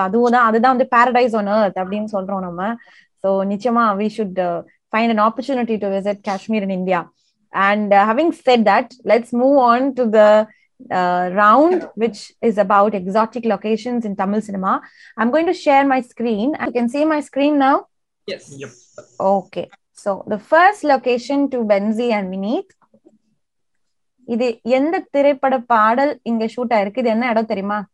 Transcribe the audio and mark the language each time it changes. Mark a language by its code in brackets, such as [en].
[ta] அதுவும் தான், அதுதான் வந்து [en] paradise on earth [ta] அப்படின்னு சொல்றோம் நம்ம. சோ நிச்சயமா [en] We should find an opportunity to visit Kashmir in India. And having said that, let's move on to the round which is about exotic locations in Tamil cinema. I am going to share my screen. You can see my screen now. Yes. Yep. Okay. So the first location to Benzi and Vineet. [ta] இது எந்த திரைப்பட பாடல் இங்க shoot ஆயிருக்கு, இது என்ன இடம் தெரியுமா?